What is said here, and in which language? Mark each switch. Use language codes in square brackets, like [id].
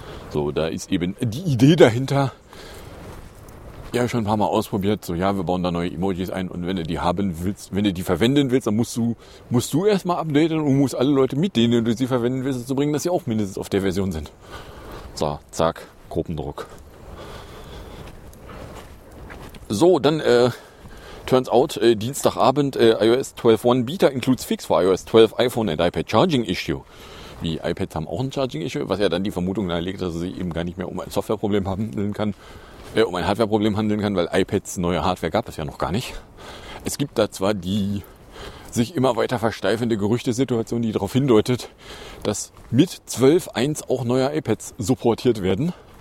[de] So, da ist eben die Idee dahinter. Ja, schon ein paar Mal ausprobiert, so ja, wir bauen da neue Emojis ein und wenn du die haben willst, wenn du die verwenden willst, dann musst du erstmal updaten und musst alle Leute mit denen du sie verwenden willst, dazu bringen, dass sie auch mindestens auf der Version sind. So, zack, Gruppendruck. So, dann [en] turns out, [de] Dienstagabend, [en] iOS 12.1 Beta includes fix for iOS 12 iPhone and iPad charging issue. [de] Die iPads haben auch ein [en] charging issue, [de] was ja dann die Vermutung nahelegt, dass sie eben gar nicht mehr um ein Softwareproblem handeln kann. Um ein Hardware-Problem handeln kann, weil iPads neue Hardware gab es ja noch gar nicht. Es gibt da zwar die sich immer weiter versteifende Gerüchtesituation, die darauf hindeutet, dass mit 12.1 auch neue iPads supportiert werden.